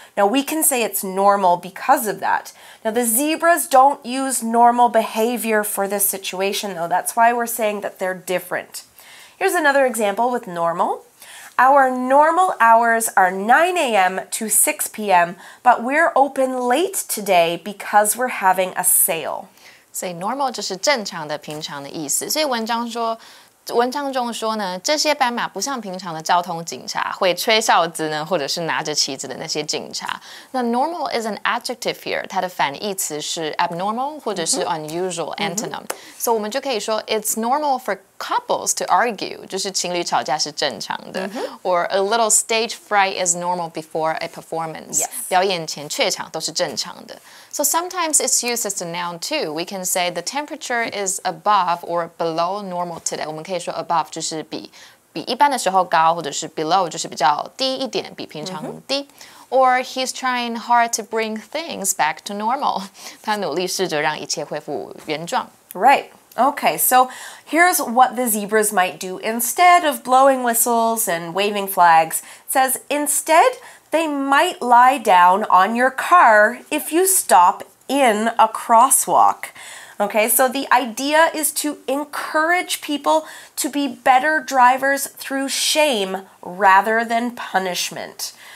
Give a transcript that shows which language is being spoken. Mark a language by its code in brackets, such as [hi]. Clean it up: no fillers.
[en] Now, we can say it's normal because of that. Now, the zebras don't use normal behavior for this situation, though. That's why we're saying that they're different. Here's another example with normal. Our normal hours are 9 a.m. to 6 p.m., but we're open late today because we're having a sale. [zh] 所以 normal 就是正常的、平常的意思。所以文章说，文章中说呢，这些斑马不像平常的交通警察，会吹哨子呢，或者是拿着旗子的那些警察。 [en] 那 normal is an adjective here， [zh] 它的反义词是 [en] abnormal [zh] 或者是 [en] unusual antonym。 [zh] 所以我们就可以说 [en] it's normal for couples to argue， [zh] 就是情侣吵架是正常的。 [en] Or a little stage fright is normal before a performance， [zh] 表演前怯场都是正常的。 [en] So sometimes it's used as a noun too. We can say the temperature is above or below normal today. [zh] 我们可以说 above 就是比一般的时候高，或者是 below 就是比较低一点，比平常低。 [en] Or he's trying hard to bring things back to normal. [zh] 他努力试着让一切恢复原状。 [en] Right. Okay. So here's what the zebras might do instead of blowing whistles and waving flags. It says instead. They might lie down on your car if you stop in a crosswalk. Okay, so the idea is to encourage people to be better drivers through shame rather than punishment.